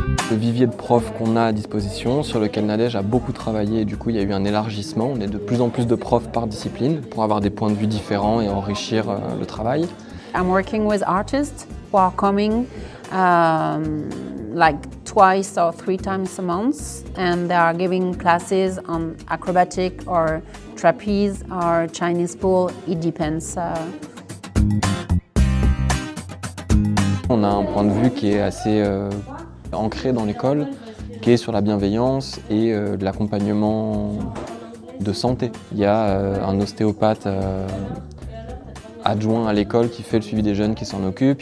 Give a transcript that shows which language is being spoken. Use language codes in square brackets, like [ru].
[fr] Le vivier de profs qu'on a à disposition, sur lequel Nadège a beaucoup travaillé, du coup il y a eu un élargissement. On est de plus en plus de profs par discipline pour avoir des points de vue différents et enrichir le travail. [en] I'm working with artists who are coming like 2 or 3 times a month, and they are giving classes on acrobatic or trapeze or Chinese pool, it depends. [fr] On a un point de vue qui est assez ancré dans l'école, qui est sur la bienveillance et de l'accompagnement de santé. Il y a un ostéopathe adjoint à l'école qui fait le suivi des jeunes qui s'en occupe.